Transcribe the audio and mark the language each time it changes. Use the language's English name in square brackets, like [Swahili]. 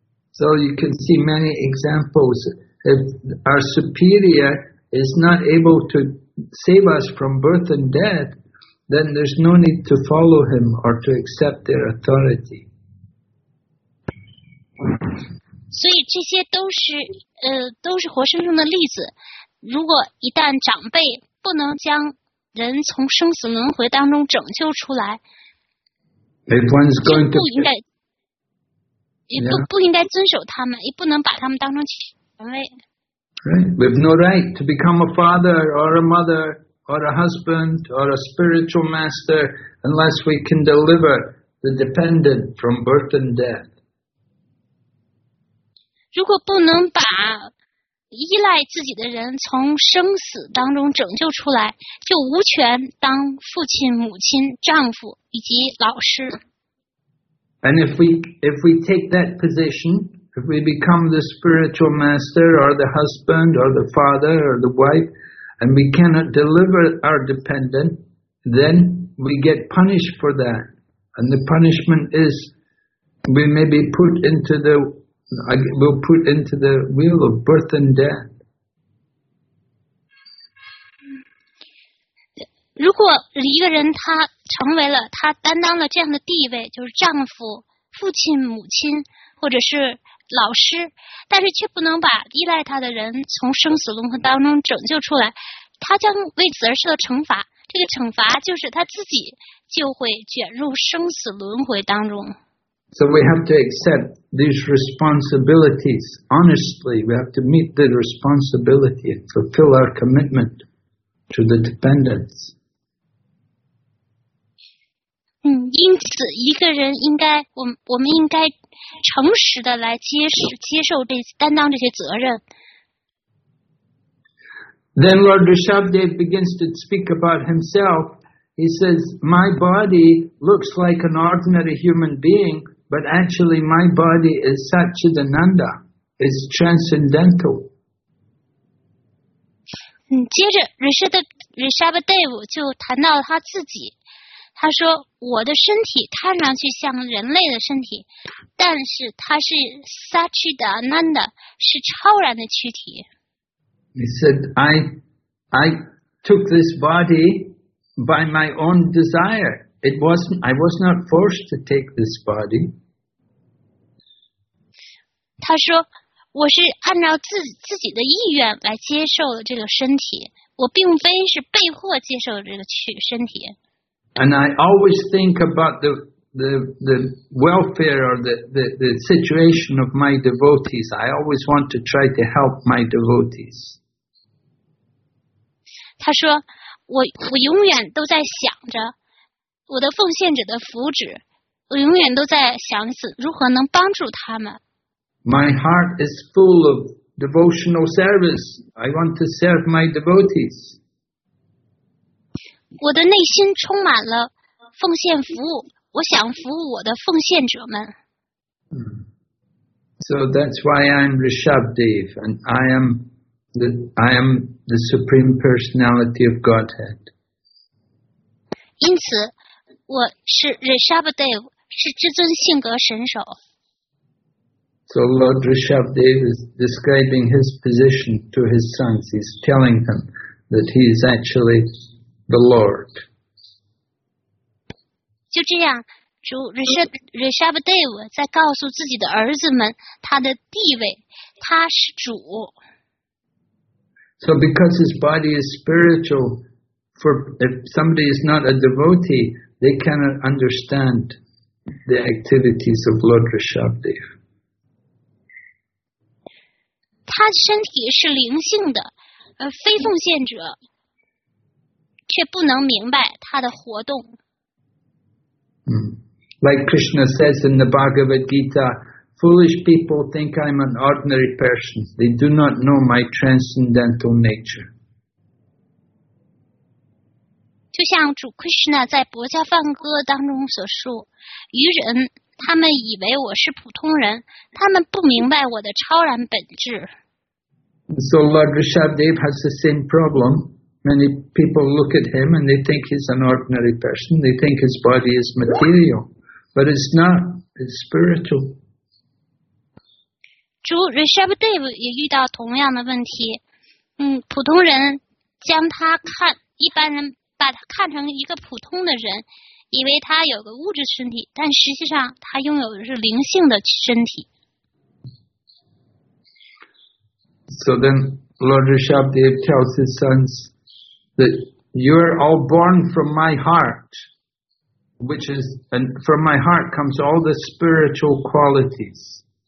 [English] So you can see many examples. If our superior is not able to save us from birth and death, then there's no need to follow him or to accept their authority. [Chinese] 所以这些都是活生生的例子。如果一旦长辈不能将人从生死轮回当中拯救出来， [English] if one's going to, [Chinese] 不应该遵守他们，也不能把他们当成权威。 [English] Right. We have no right to become a father or a mother. Or a husband, or a spiritual master, unless we can deliver the dependent from birth and death. [Chinese] 如果不能把依赖自己的人从生死当中拯救出来，就无权当父亲、母亲、丈夫以及老师。 [English] And if we take that position, if we become the spiritual master, or the husband, or the father, or the wife. And we cannot deliver our dependent, then we get punished for that. And the punishment is we may be put into the wheel of birth and death. [Chinese] 如果一个人他成为了他担当了这样的地位，就是丈夫、父亲、母亲，或者是老师，但是却不能把依赖他的人从生死轮回当中拯救出来。他将为此而受到惩罚，这个惩罚就是他自己就会卷入生死轮回当中。 [English] So we have to accept these responsibilities honestly. We have to meet the responsibility and fulfill our commitment to the dependents. [Chinese] 因此一个人应该，我们应该诚实的来接受这担当这些责任。 [English] Then Lord Rishabhdev begins to speak about himself. He says, my body looks like an ordinary human being, but actually my body is Satchidananda. It's transcendental. [Chinese] 接着 Rishabhdev 就谈到了他自己。他说，我的身体看上去像人类的身体，但是它是 Satchidananda, 是超然的躯体。 [English] He said, I took this body by my own desire. I was not forced to take this body. [Chinese] 他说，我是按照自己的意愿来接受了这个身体，我并非是被迫接受了这个身体。 [English] And I always think about the welfare or the situation of my devotees. I always want to try to help my devotees. [Chinese] 他说，我永远都在想着我的奉献者的福祉，我永远都在想着如何能帮助他们。 [English] My heart is full of devotional service. I want to serve my devotees. [Chinese] 我的内心充满了奉献服务，我想服务我的奉献者们。 [English] So that's why I'm Rishabhdev, and I am the Supreme Personality of Godhead. [Chinese] 因此，我是 Rishabhdev, 是至尊性格神手。 [English] So Lord Rishabhdev is describing his position to his sons. He's telling them that he is actually the Lord. [Chinese] 就这样，主 Rishabhdev 在告诉自己的儿子们他的地位，他是主。 [English] So because his body is spiritual, if somebody is not a devotee, they cannot understand the activities of Lord Rishabhdev. [Chinese] 他身体是灵性的，而非奉献者却不能明白他的活动。 [English] Like Krishna says in the Bhagavad Gita,Foolish people think I'm an ordinary person. They do not know my transcendental nature. [Chinese] 就像主 Krishna 在薄伽梵歌当中所述，愚人他们以为我是普通人，他们不明白我的超然本质。 [English] So Lord Rishabhdev has the same problem. Many people look at him and they think he's an ordinary person. They think his body is material, but it's not. It's spiritual. [Chinese] 主 Rishabhdev 也遇到同样的问题，普通人将他看，一般人把把他看成一个普通的人，以为他有个物质身体，但实际上他拥有的是灵性的身体。 [English] So then Lord Rishabhdev tells his sons that you are all born from my heart, which is, and from my heart comes all the spiritual qualities.